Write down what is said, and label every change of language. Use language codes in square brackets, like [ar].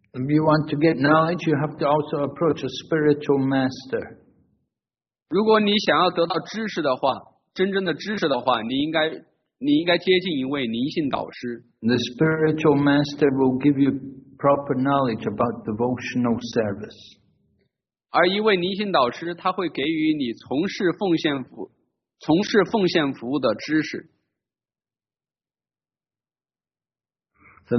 [en] you want to get knowledge, you have to also approach a spiritual master. [zh] 如果你想要得到知识的话，真正的知识的话，你应该接近一位灵性导师。 [en] The spiritual master will give you proper knowledge about devotional service. [zh] 而一位灵性导师，他会给予你从事奉献服务的知识。 [en] So